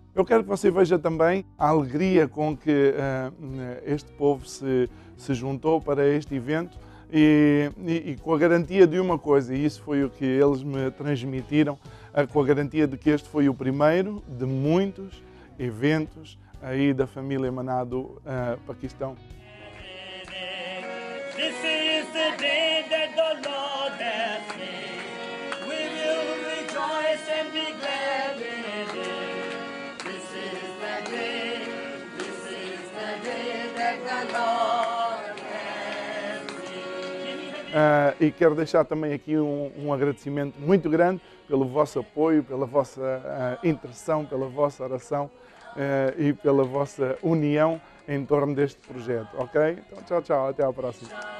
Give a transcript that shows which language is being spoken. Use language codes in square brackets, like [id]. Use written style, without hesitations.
[pt] Eu quero que você veja também a alegria com que este povo se juntou para este evento e com a garantia de uma coisa, e isso foi o que eles me transmitiram, com a garantia de que este foi o primeiro de muitos eventos aí da família Maná do Paquistão. [en] This is the day that the Lord has made. We will rejoice and be glad in it. This is the day, this is the day that the Lord. [pt] E quero deixar também aqui um agradecimento muito grande pelo vosso apoio, pela vossa intercessão, pela vossa oração e pela vossa união em torno deste projeto, ok? Então, tchau, tchau, até à próxima.